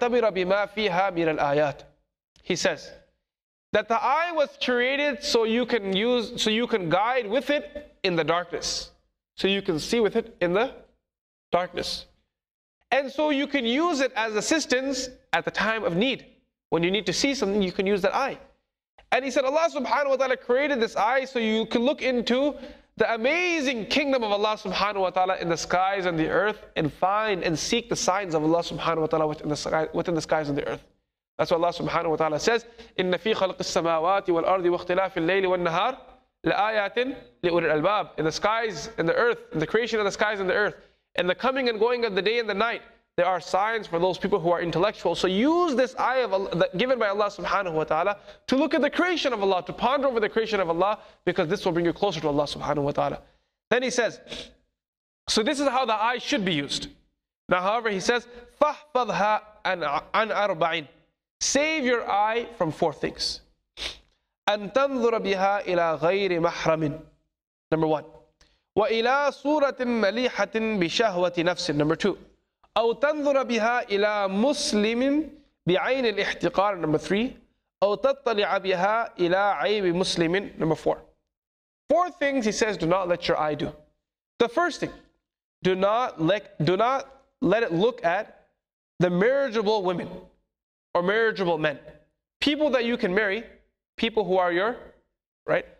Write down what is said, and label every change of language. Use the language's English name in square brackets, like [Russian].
[Arabic] بِمَا فِيهَا مِنَ الْآيَاتِ. [English] He says that the eye was created so you can guide with it in the darkness, so you can see with it in the darkness, and so you can use it as assistance at the time of need. When you need to see something, you can use that eye. And he said, Allah subhanahu wa ta'ala created this eye so you can look into the amazing kingdom of Allah subhanahu wa ta'ala in the skies and the earth, and find and seek the signs of Allah subhanahu wa ta'ala within the skies and the earth. That's what Allah subhanahu wa ta'ala says, [Arabic] إِنَّ فِي خَلْقِ السَّمَاوَاتِ وَالْأَرْضِ وَاخْتِلَافِ اللَّيْلِ وَالنَّهَارِ لَآيَاتٍ لِأُولِي الْأَلْبَابِ. [English] In the skies and the earth, in the creation of the skies and the earth, in the coming and going of the day and the night, there are signs for those people who are intellectual. So use this eye of Allah, given by Allah subhanahu wa ta'ala, to look at the creation of Allah, to ponder over the creation of Allah, because this will bring you closer to Allah subhanahu wa ta'ala. Then he says, so this is how the eye should be used. Now however, he says, [Arabic] فَحْفَظْهَا عَنْ أَرْبَعِينَ. [English] Save your eye from four things. [Arabic] أَنْ تَنْظُرَ بِهَا إِلَى غَيْرِ مَحْرَمٍ. [English] Number one. [Arabic] وَإِلَى سُورَةٍ مَلِيحَةٍ بِشَهْوَةِ نَفْسٍ. [English] Number two. [Arabic] أو تنظر بها إلى مسلم بعين الاحتقار. [English] Number three. [Arabic] أو تطلع بها إلى عيب مسلم. [English] Number four. Four things he says do not let your eye do. The first thing, do not let it look at the marriageable women or marriageable men, people that you can marry, people who are your, right?